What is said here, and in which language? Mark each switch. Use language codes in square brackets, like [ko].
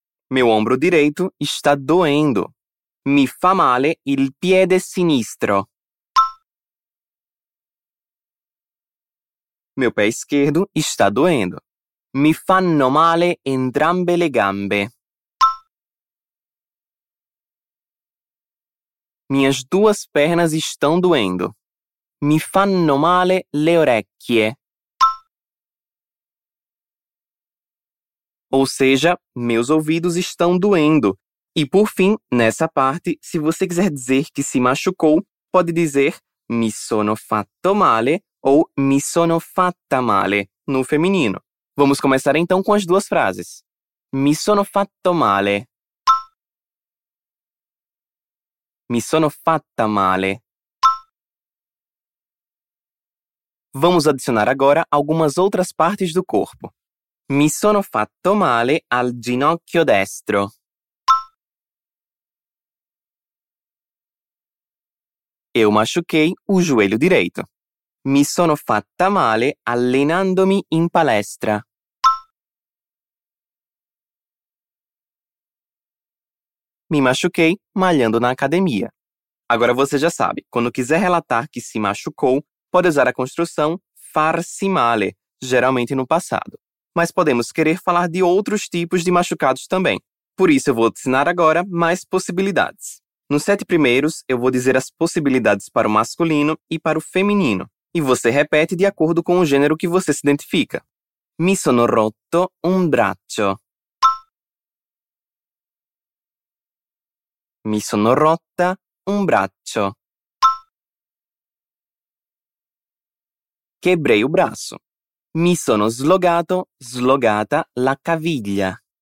[pt] Meu ombro direito está doendo. [it] Mi fa male il piede sinistro. [pt] Meu pé esquerdo está doendo. [it] Mi fanno male entrambe le gambe. [pt] Minhas duas pernas estão doendo. [it] Mi fanno male le orecchie. [pt] Ou seja, meus ouvidos estão doendo. E por fim, nessa parte, se você quiser dizer que se machucou, pode dizer [it] mi sono fatto male [pt] ou [it] mi sono fatta male, [pt] no feminino. Vamos começar então com as duas frases. [it] Mi sono fatto male. Mi sono fatta male. [pt] Vamos adicionar agora algumas outras partes do corpo. [it] Mi sono fatto male al ginocchio destro. [pt] Eu machuquei o joelho direito. [it] Mi sono fatta male allenandomi in palestra. [pt] Me machuquei malhando na academia. Agora você já sabe, quando quiser relatar que se machucou, pode usar a construção farsi male, geralmente no passado. Mas podemos querer falar de outros tipos de machucados também. Por isso, eu vou ensinar agora mais possibilidades. Nos 7 primeiros, eu vou dizer as possibilidades para o masculino e para o feminino. E você repete de acordo com o gênero que você se identifica. [it] Mi sono rotto un braccio. Mi sono rotta un braccio. [pt] Quebrei o braço. [it] Mi sono slogato, slogata la caviglia.